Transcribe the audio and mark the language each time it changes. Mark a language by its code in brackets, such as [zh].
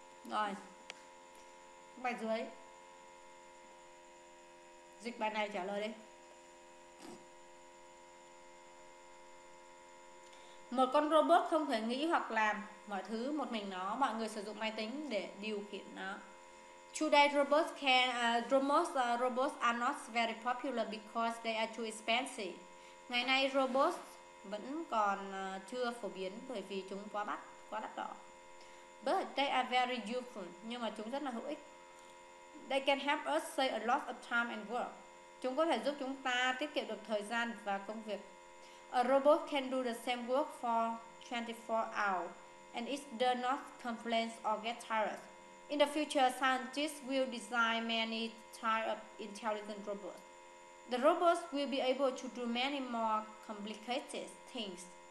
[vi] Rồi. Bài dưới. Dịch bài này trả lời đi. Một con robot không thể nghĩ hoặc làm mọi thứ một mình nó. Mọi người sử dụng máy tính để điều khiển nó. [en] Today robots can robots are not very popular because they are too expensive. [vi] Ngày nay robots vẫn còn chưa phổ biến bởi vì chúng quá đắt đỏ. [en] But they are very useful. [vi] Nhưng mà chúng rất là hữu ích. [en] They can help us save a lot of time and work. [vi] Chúng có thể giúp chúng ta tiết kiệm được thời gian và công việc. [en] A robot can do the same work for 24 hours, and it does not complain or get tired. In the future, scientists will design many types of intelligent robots. The robots will be able to do many more complicated things.